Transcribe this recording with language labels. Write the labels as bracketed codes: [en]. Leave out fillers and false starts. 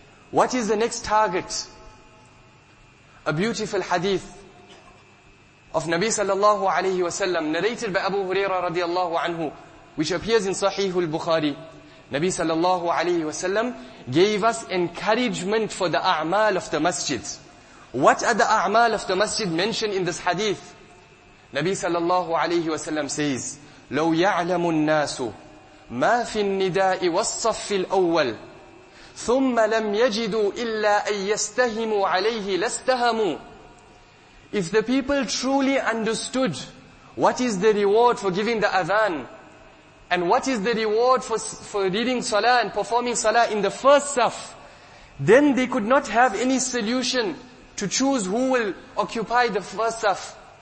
[en] What is the next target? A beautiful hadith of Nabi sallallahu alayhi wa sallam, narrated by Abu Huraira radiallahu anhu, which appears in Sahih al-Bukhari. Nabi sallallahu alayhi wa sallam gave us encouragement for the a'mal of the masjid. What are the a'mal of the masjid mentioned in this hadith? Nabi sallallahu alayhi wa sallam says, [ar] لو يعلم الناس ما في النداء والصف الأول ثم لم يجدوا إلا أن يستهموا عليه لاستهموا. [en] If the people truly understood what is the reward for giving the adhan, And what is the reward for reading salah and performing salah in the first saf? Then they could not have any solution to choose who will occupy the first saf.